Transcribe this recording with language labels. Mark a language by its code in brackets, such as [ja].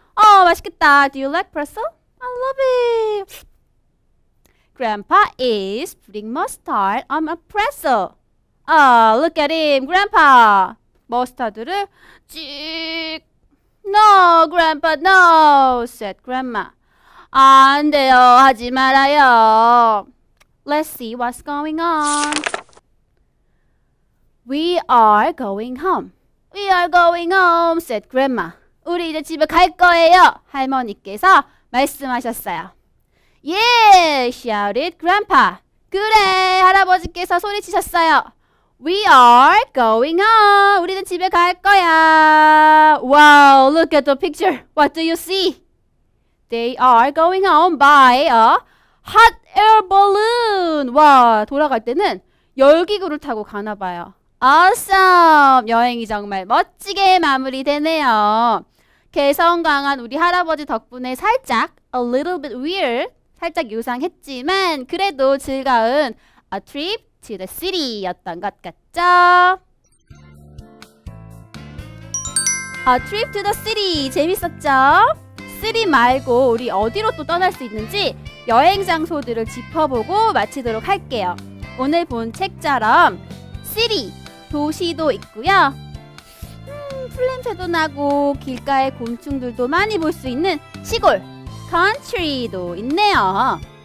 [ko] 맛있겠다. [en] Do you like pretzel? I love it. Grandpa is putting mustard on a pretzel. Look at him, Grandpa. [ko] 머스타드를 찍. [en] No, Grandpa, no, said Grandma. [ko] 안 돼요, 하지 말아요. [en] Let's see what's going on. We are going home. We are going home, said Grandma. [ko] 우리 이제 집에 갈 거예요, 할머니께서 말씀하셨어요. [en] Yeah, shouted Grandpa. [ko] 그래, 할아버지께서 소리치셨어요. [en] We are going home. [ko] 우리는 집에 갈 거야. [en] Wow, look at the picture. What do you see? They are going home by a hot air balloon. [ko] 와, 돌아갈 때는 열기구를 타고 가나 봐요. [en] Awesome. [ko] 여행이 정말 멋지게 마무리되네요. 개성강한 우리 할아버지 덕분에 살짝 [en] a little bit weird, [ko] 살짝 유상했지만 그래도 즐거운 [en] a trip to the city [ko] 였던 것 같죠? [en] A trip to the city [ko] 재밌었죠? city 말고 우리 어디로 또 떠날 수 있는지 여행 장소들을 짚어보고 마치도록 할게요. 오늘 본 책처럼 city, 도시도 있고요. 풀냄새도 나고 길가에 곤충들도 많이 볼 수 있는 시골, country도 있네요.